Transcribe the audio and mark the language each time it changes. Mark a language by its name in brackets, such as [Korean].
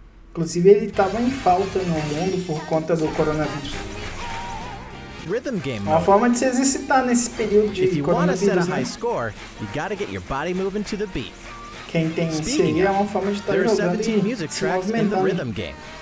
[Portuguese] Inclusive, ele estava em falta no mundo por conta do coronavírus. [English] Rhythm game. [Portuguese] Uma forma de se exercitar nesse período de coronavírus. [English] If you want to set a high score, you got to get your body moving to the beat. [Portuguese] Quem tem isso aí é uma forma de estar jogando. [English] There are 17 music tracks in the rhythm game.